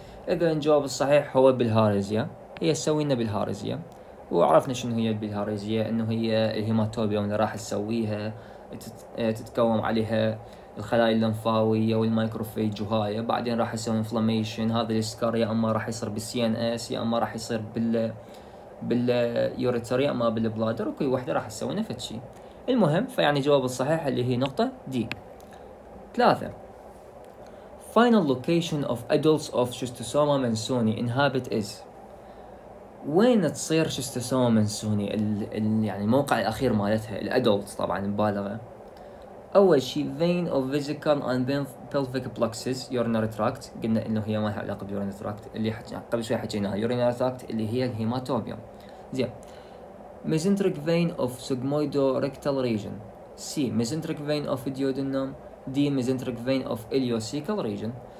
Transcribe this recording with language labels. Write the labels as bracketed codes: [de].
[ar] اذا الجواب الصحيح هو بالهاريزيا، هي تسوينا بالهاريزيا، وعرفنا شنو هي بالهاريزيا، انه هي الهيماتوبيوم اللي راح تسويها تتكوم عليها الخلايا اللمفاوية والمايكروفيج، وهاي بعدين راح يسوي انفلاميشن، هذا الاسكار يا اما راح يصير بالسي ان اس، يا اما راح يصير باليوريتر، يا اما بالبلادر، وكل وحدة راح تسوينا فتشي. المهم فيعني جواب الصحيح اللي هي نقطة دي. [en] ثلاثة final location of adults of schistosoma mansoni inhabit is، [ar] وين تصير [en] schistosoma mansoni [ar] يعني الموقع الأخير مالتها الأدولت طبعا البالغة. أول شيء [en] vein of vesical and pelvic plexus urinary tract، [ar] قلنا إنه هي ما لها علاقة بالurinary tract اللي قبل شوي حكيناها، urinary tract اللي هي الهيماتوبيوم. [en] زين، mesenteric vein of sigmoidorectal region، C mesenteric vein of duodenum، D mesenteric vein of iliocecal region.